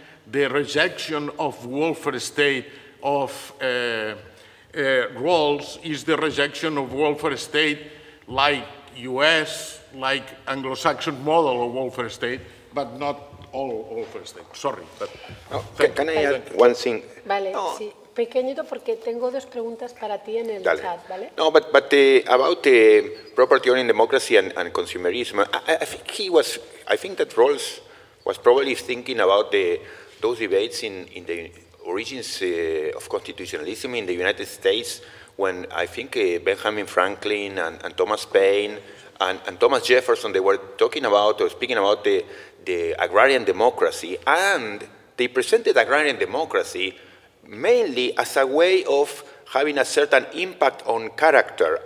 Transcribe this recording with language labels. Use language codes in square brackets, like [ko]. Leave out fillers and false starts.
[en] the rejection of welfare state of Rawls is the rejection of welfare state like US, like Anglo-Saxon model of welfare state, but not all welfare state. Sorry, but no, can I add one thing? [es] Vale, no. Sí. Pequeñito, porque tengo dos preguntas para ti en el Dale. Chat, ¿vale? [en] No, but about the property owning democracy and consumerism, I think that Rawls was probably thinking about those debates in the origins of constitutionalism in the United States, when I think Benjamin Franklin and Thomas Paine and Thomas Jefferson, they were talking about or speaking about the agrarian democracy, and they presented agrarian democracy mainly as a way of having a certain impact on character.